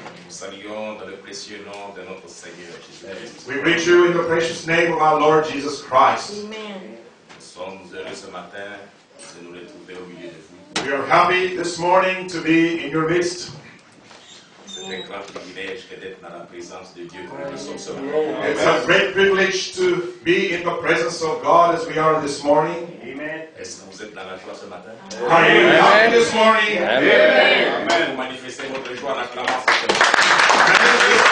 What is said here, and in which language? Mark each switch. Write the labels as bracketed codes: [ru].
[fr] Saluons dans le précieux nom de notre Seigneur Jésus-Christ. [en] We greet you in the precious name of our Lord Jesus Christ. Amen. [fr] Nous sommes heureux ce matin de nous retrouver au milieu de vous. [en] We are happy this morning to be in your midst. [fr] C'est un grand privilège que d'être dans la présence de Dieu comme nous sommes ce matin. [en] It's a great privilege to be in the presence of God as we are this morning. Amen. [fr] Est-ce que vous êtes dans la joie ce matin? [en] Are you happy this morning? Amen. Amen. [fr] Vous manifestez votre joie en acclamant ce matin.